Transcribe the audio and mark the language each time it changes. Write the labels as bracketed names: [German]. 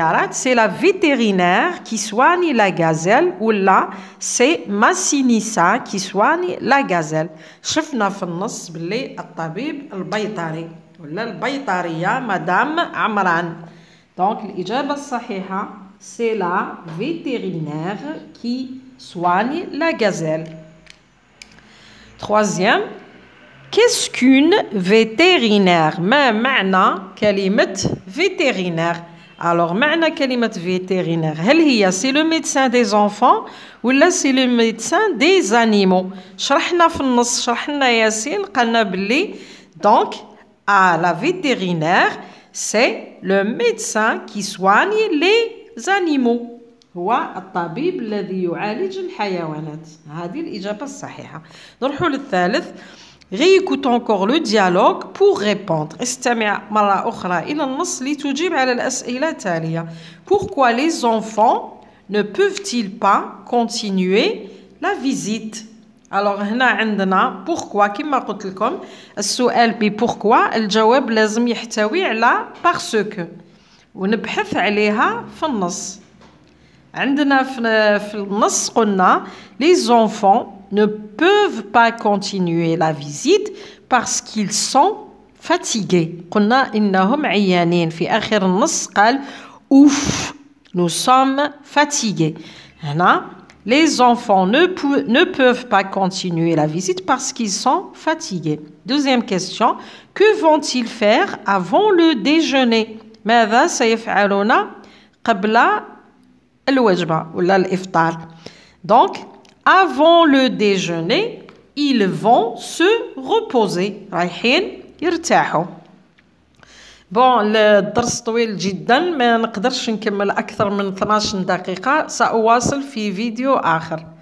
[French] C'est la vétérinaire qui soigne la gazelle ou là, c'est Massinissa qui soigne la gazelle. [Arabic] شفنا في النص بلي الطبيب البيطري ولا البيطرية مدام عمران. [French] Donc l' [Arabic] إجابة الصحيحة [French] c'est la vétérinaire qui soigne la gazelle. Troisième, qu'est-ce qu'une vétérinaire? Mais maintenant, [Arabic] كلمة [French] vétérinaire. Alors, [Arabic] معنى كلمة [French] vétérinaire, [Arabic] هل هي [French] c'est le médecin des enfants ou là c'est le médecin des animaux? [Arabic] شرحنا في النص, شرحنا ياسين, قلنا بلي. [French] Donc, à la vétérinaire, c'est le médecin qui soigne les animaux. [Arabic] هو الطبيب الذي يعالج الحيوانات. هذه الإجابة الصحيحة. نروحوا للثالث. [French] Réécoute encore le dialogue pour répondre. [Arabic] استمع مرة أخرى إلى النص لتجيب على الأسئلة التالية. [French] Pourquoi les enfants ne peuvent-ils pas continuer la visite? [Arabic] Alors هنا عندنا pourquoi كما قلت لكم السؤال بي pourquoi الجواب لازم يحتوي على [French] parce que [Arabic] ونبحث عليها في النص. عندنا في النص قلنا [French] les enfants ne peuvent pas continuer la visite parce qu'ils sont fatigués. [Arabic] قلنا إنهم عيانين في آخر النص قال [French] ouf, nous sommes fatigués. هنا les enfants ne peuvent pas continuer la visite parce qu'ils sont fatigués. Deuxième question, que vont-ils faire avant le déjeuner? [Arabic] ماذا سيفعلون قبل الوجبة ولا الإفطار. [French] Donc avant le déjeuner, ils vont se reposer. [Arabic] رايحين يرتاحوا. Bon, le درس طويل جدا ما نقدرش نكمل اكثر من 12 دقيقه ساواصل في فيديو اخر.